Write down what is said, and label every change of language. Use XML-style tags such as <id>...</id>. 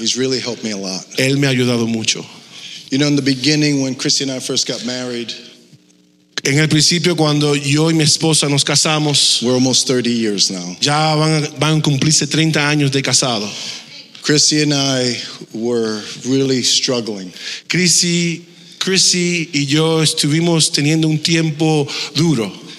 <en>He's really helped me a lot.</en> <es>Él me ha ayudado mucho.</es> <en>You know, in the beginning when Christy and I first got married,</en> <es>en el principio cuando yo y mi esposa nos casamos,</es> <en>we're almost 30 years now.</en> <es>Ya van a cumplirse 30 años de casado.</es> <en>Christy and I were really struggling.</en> <es>Chrissy y yo estuvimos teniendo un tiempo duro.</es>